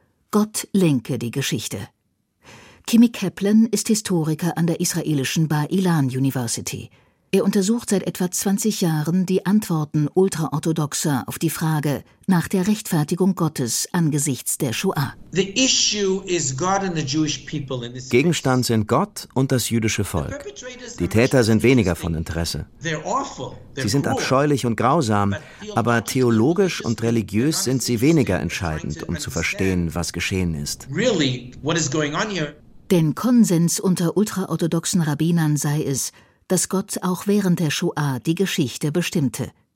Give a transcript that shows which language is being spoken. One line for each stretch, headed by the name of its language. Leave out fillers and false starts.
German: Gott lenke die Geschichte. Kimi Kaplan ist Historiker an der israelischen Bar-Ilan University. Er untersucht seit etwa 20 Jahren die Antworten Ultraorthodoxer auf die Frage nach der Rechtfertigung Gottes angesichts der Shoah.
English: The issue is God and the Jewish people in this case.
German: Gegenstand sind Gott und das jüdische Volk. Die Täter sind weniger von Interesse. Sie sind abscheulich und grausam, aber theologisch und religiös sind sie weniger entscheidend, um zu verstehen, was geschehen ist.
English: Really, what is going on here?
German: Denn Konsens unter ultraorthodoxen Rabbinern sei es, dass Gott auch während der Shoah die Geschichte bestimmte.